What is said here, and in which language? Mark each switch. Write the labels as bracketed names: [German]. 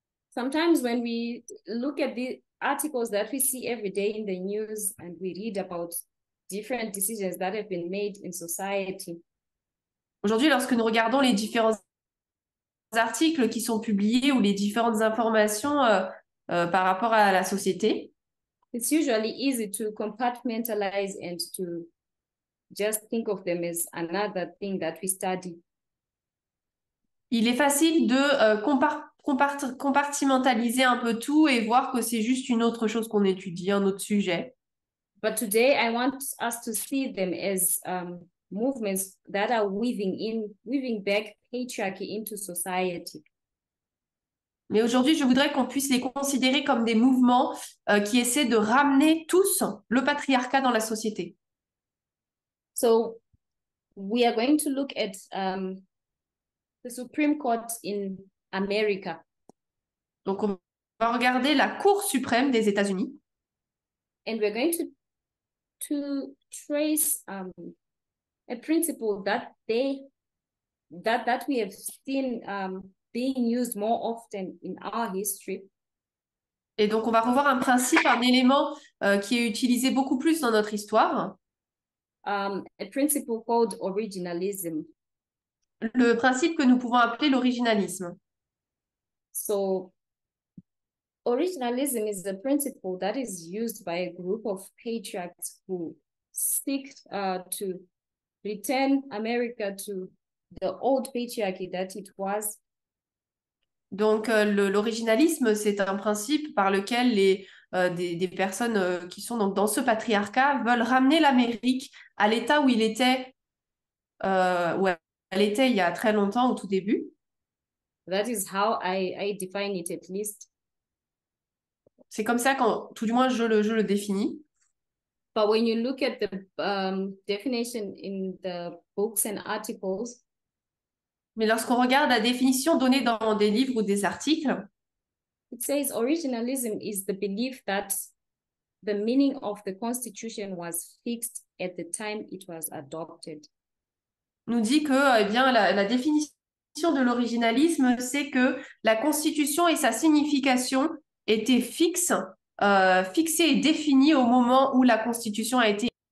[English] Sometimes when we look at the articles that we see every day in the news and we read about different decisions that have been made in society. [French] Aujourd'hui, lorsque nous regardons les différents articles qui sont publiés ou les différentes informations par rapport à la société, [English] it's usually easy to compartmentalize and to just think of them as another thing that we study. [French] Il est facile de compartimentaliser un peu tout et voir que c'est juste une autre chose qu'on étudie, un autre sujet. [English] But today I want us to see them as movements that are weaving back patriarchy into society. [French] Mais aujourd'hui, je voudrais qu'on puisse les considérer comme des mouvements qui essaient de ramener tous le patriarcat dans la société. [English] So, we are going to look at the Supreme Court in America. [French] Donc, on va regarder la Cour suprême des États-Unis. [English] And we're going to trace a principle that we have seen being used more often in our history. [French] Et donc, on va revoir un principe, un élément qui est utilisé beaucoup plus dans notre histoire. [English] A principle called originalism. [French] Le principe que nous pouvons appeler l'originalisme. [English] So, originalism is the principle that is used by a group of patriarchs who seek to return America to the old patriarchy that it was. [French] Donc, l'originalisme, c'est un principe par lequel des personnes qui sont donc dans ce patriarcat veulent ramener l'Amérique à l'état où il était, où elle était il y a très longtemps, au tout début. [English] That is how I define it, at least. [French] C'est comme ça quand, tout du moins, je le définis. [English] But when you look at the definition in the books and articles, [French] Mais lorsqu'on regarde la définition donnée dans des livres ou des articles, [English] it says originalism is the belief that the meaning of the Constitution was fixed at the time it was adopted. [French] nous dit que, eh bien, la définition de l'originalisme, c'est que la Constitution et sa signification étaient fixées et définies au moment où la Constitution a été.